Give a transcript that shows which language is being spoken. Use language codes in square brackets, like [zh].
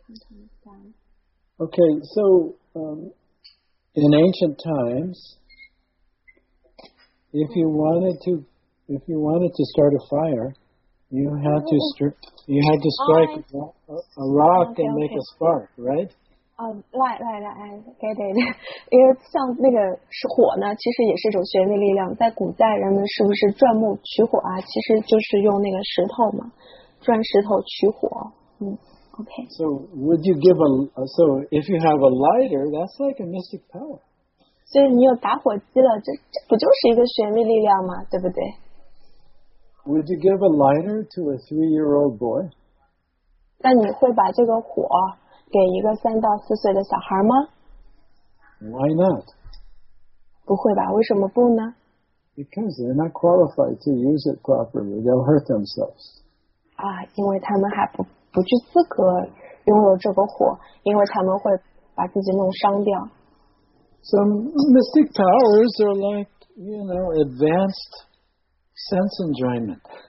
[en] Okay, so in ancient times, if you wanted to start a fire, you had to strike a rock and make a spark, right? Right, I get it. [zh] 因为像那个是火呢，其实也是一种玄秘力量。在古代，人们是不是钻木取火啊？其实就是用那个石头嘛，钻石头取火。 [en] Okay. So would you give so if you have a lighter, that's like a mystic power. [zh] 所以你有打火机了，这不就是一个玄秘力量吗？对不对？ [en] Would you give a lighter to a 3-year-old boy? [zh] 那你会把这个火给一个三到四岁的小孩吗？ [en] Why not? [zh] 不会吧，为什么不呢？ [en] Because they're not qualified to use it properly. They'll hurt themselves. [zh] 啊，因为他们还不具资格拥有这个火，因为他们会把自己弄伤掉。 [en] Some mystic powers are like, you know, advanced sense enjoyment.